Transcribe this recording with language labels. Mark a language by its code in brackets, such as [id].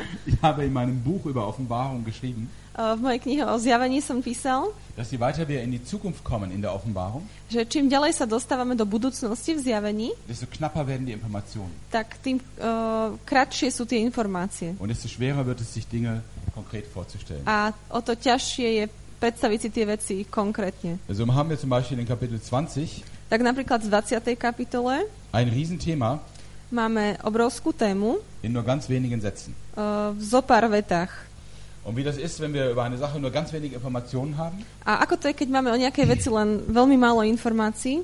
[de] Ich habe in meinem Buch über Offenbarung geschrieben, [sk] v mojej knihe o zjavení som písal, [de] dass je weiter wir in die Zukunft kommen in der Offenbarung, [sk] že čím ďalej sa dostávame do budúcnosti v zjavení, [de] desto knapper werden die Informationen. [sk] Tak tým kratšie sú tie informácie. [de] Und desto schwerer wird es, sich Dinge konkret vorzustellen. [sk] A o to ťažšie je predstaviť si tie veci konkrétne. [de] Also haben wir zum Beispiel in Kapitel 20, [sk] tak napríklad v 20. kapitole, [de] ein Riesenthema, [sk] máme obrovskú tému [de] in nur ganz wenigen Sätzen. [sk] V zopár vetách. [de] Und wie das ist, wenn wir über eine Sache nur ganz wenige Informationen haben? [sk] A ako to je, keď máme o nejakej veci len veľmi málo informácií?